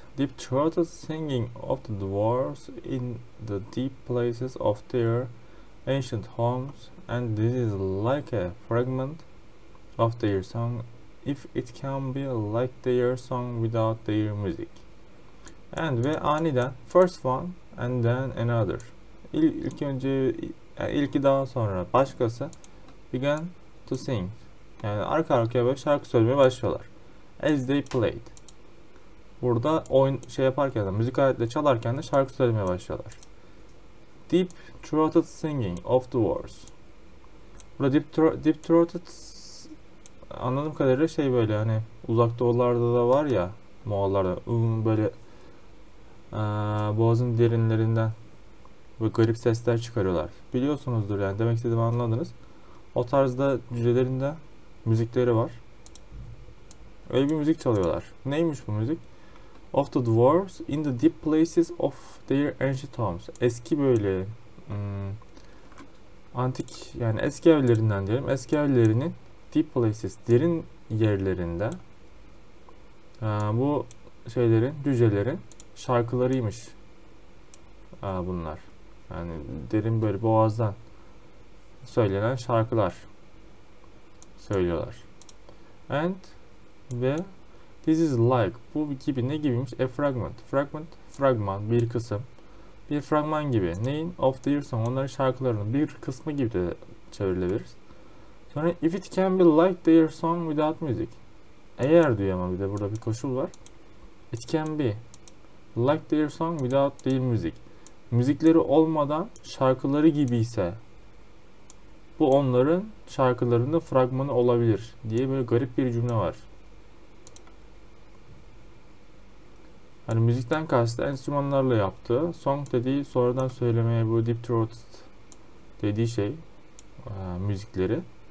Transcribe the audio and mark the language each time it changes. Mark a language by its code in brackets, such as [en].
[en] Deep throated singing of the dwarves in the deep places of their ancient homes. And this is like a fragment of their song, if it can be like their song without their music. And [tr] ve aniden [en] first one and then another. [tr] İlk önce, ilki daha sonra başkası [en] began to sing. [tr] Yani arka arkaya böyle şarkı söylemeye başlıyorlar. [en] As they played. [tr] Burada oyun şey yaparken de, müzik aletle çalarken de şarkı söylemeye başlıyorlar. [en] Deep throated singing of the words. [tr] Burada [en] deep throated [tr] anladığım kadarıyla şey, böyle hani uzak doğularda da var ya, Moğollarda böyle boğazın derinlerinden ve garip sesler çıkarıyorlar. Biliyorsunuzdur yani, demek istediğimi anladınız. O tarzda cücelerinde müzikleri var. Öyle bir müzik çalıyorlar. Neymiş bu müzik? [en] Of the dwarves in the deep places of their ancient homes. [tr] Eski böyle antik, yani eski evlerinden diyelim. Eski evlerinin [en] deep places, [tr] derin yerlerinde bu şeylerin, cücelerin şarkılarıymış bunlar. Yani derin böyle boğazdan söylenen şarkılar söylüyorlar. And ve [en] this is like, [tr] bu gibi, ne gibiymiş? [en] A fragment, fragment, [tr] fragman, bir kısım. Bir fragman gibi. Neyin? [en] Of the song, [tr] onların şarkılarının bir kısmı gibi de çevrilebiliriz. Sonra [en] if it can be like their song without music. [tr] Eğer diyor ama bir de burada bir koşul var. [en] It can be like their song without their music. [tr] Müzikleri olmadan şarkıları gibi ise bu onların şarkılarının fragmanı olabilir diye böyle garip bir cümle var. Hani müzikten kastı enstrümanlarla yaptığı, song dediği sonradan söylemeye bu deep throat dediği şey müzikleri.